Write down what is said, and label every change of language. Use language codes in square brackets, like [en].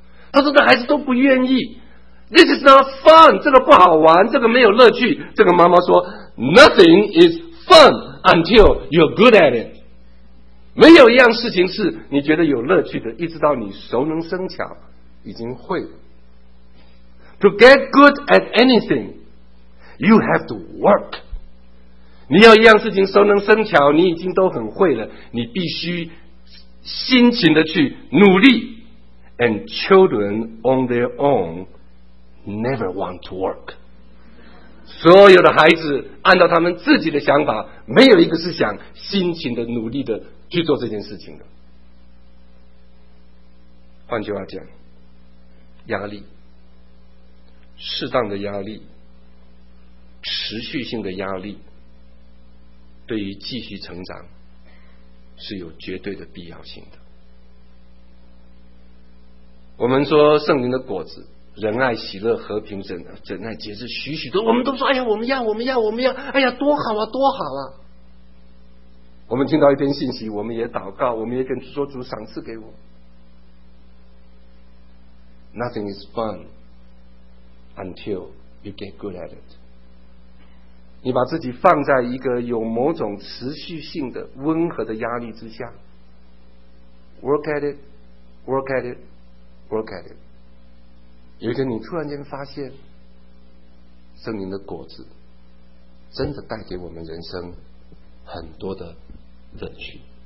[zh] 他说这孩子都不愿意， [en] This is not fun， [zh] 这个不好玩，这个没有乐趣。这个妈妈说 [en] Nothing is fun until you're good at it， [zh] 没有一样事情是你觉得有乐趣的，一直到你熟能生巧，已经会了。 [en] To get good at anything, you have to work. [zh] 你要一样事情熟能生巧，你已经都很会了，你必须辛勤的去努力。 [en] And children on their own never want to work. [zh] 所有的孩子按照他们自己的想法，没有一个是想辛勤的努力的去做这件事情的。换句话讲，压力，适当的压力，持续性的压力，对于继续成长是有绝对的必要性的。我们说圣灵的果子，仁爱、喜乐、和平、忍耐、节制，许许多，我们都说，哎呀，我们要，哎呀，多好啊！我们听到一篇信息，我们也祷告，我们也跟说主赏赐给我。 [en] Nothing is fun until you get good at it。 [zh] 你把自己放在一个有某种持续性的温和的压力之下 ， [en] work at it。 [zh] 有一天你突然间发现圣灵的果子真的带给我们人生很多的乐趣。